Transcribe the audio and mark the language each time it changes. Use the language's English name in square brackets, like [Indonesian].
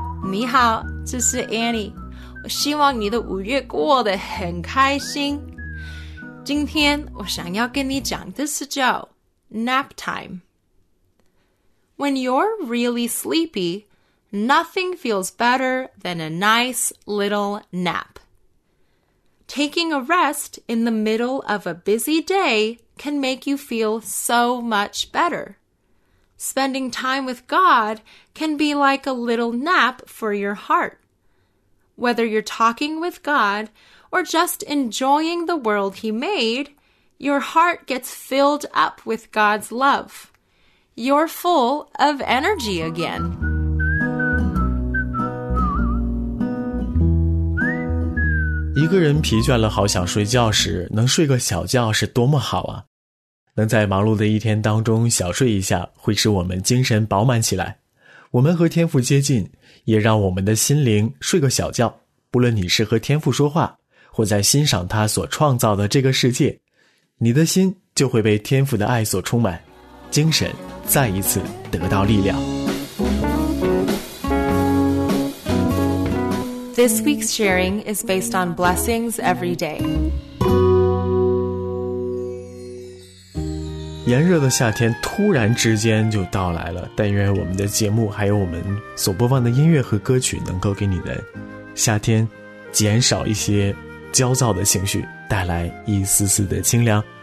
[Chinese] 你好，这是 Annie， 我希望你的五月过得很开心。今天我想要跟你讲的是叫 [English] nap time。 When you're really sleepyNothing feels better than a nice little nap. Taking a rest in the middle of a busy day can make you feel so much better. Spending time with God can be like a little nap for your heart. Whether you're talking with God or just enjoying the world He made, your heart gets filled up with God's love. You're full of energy again. [Chinese] 一个人疲倦了好想睡觉时，能睡个小觉是多么好啊。能在忙碌的一天当中小睡一下，会使我们精神饱满起来。我们和天父接近，也让我们的心灵睡个小觉。不论你是和天父说话，或在欣赏他所创造的这个世界，你的心就会被天父的爱所充满，精神再一次得到力量。 [English] This week's sharing is based on blessings every day. [Chinese] 炎热的夏天突然之间就到来了，但愿我们的节目还有我们所播放的音乐和歌曲能够给你的夏天减少一些焦躁的情绪，带来一丝丝的清凉。